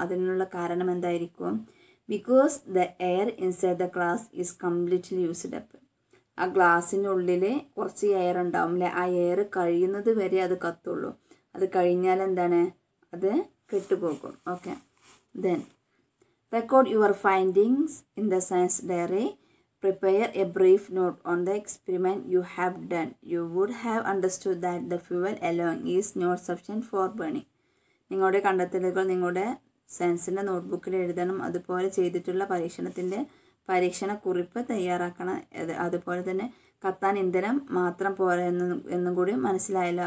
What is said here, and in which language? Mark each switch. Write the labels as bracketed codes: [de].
[ml] അതിനുള്ള കാരണം എന്തായിരിക്കും? [en] Because the air inside the glass is completely used up. [ml] ആ ഗ്ലാസ്സിനുള്ളിൽ കുറച്ച് എയർ ഉണ്ടാവും അല്ലേ, ആ എയർ കഴിയുന്നത് വരെ അത് കത്തുള്ളൂ. അത് കഴിഞ്ഞാൽ എന്താണ്? അത് കെട്ടുപോകും. [en] Okay, then record your findings in the science diary. Prepare a brief note on the experiment you have done. You would have understood that the fuel alone is not sufficient for burning. [ml] നിങ്ങളുടെ കണ്ടെത്തലുകൾ നിങ്ങളുടെ സയൻസിൻ്റെ നോട്ട്ബുക്കിൽ എഴുതണം. അതുപോലെ ചെയ്തിട്ടുള്ള പരീക്ഷണത്തിൻ്റെ പരീക്ഷണ കുറിപ്പ് തയ്യാറാക്കണം. അതുപോലെ തന്നെ കത്താൻ ഇന്ധനം മാത്രം പോരെ എന്നും കൂടി മനസ്സിലായല്ലോ.